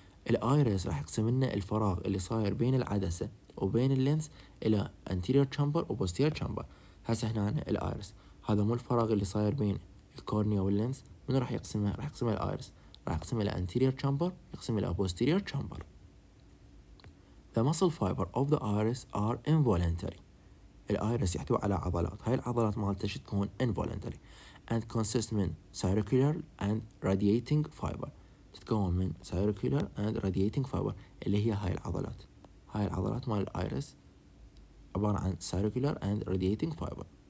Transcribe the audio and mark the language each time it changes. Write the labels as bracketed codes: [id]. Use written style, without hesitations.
[ar] الايرس راح يقسم لنا الفراغ اللي صاير بين العدسة وبين اللينس الى anterior chamber و posterior chamber. هسه هنا الايرس هذا مو الفراغ اللي صاير بين الكورنيا واللينس، من راح يقسمه؟ راح يقسمه الايرس، راح يقسمه الى anterior chamber، يقسمه الى posterior chamber. [en] The muscle fiber of the iris are involuntary. [ar] الايرس يحتوي على عضلات، هاي العضلات مالته تكون [en] involuntary and consist [ar] من [en] circular and radiating fiber. [ar] تتكون من [en] circular and radiating fiber [ar] اللي هي هاي العضلات، هاي العضلات مال الايرس عبارة عن circular and radiating fiber.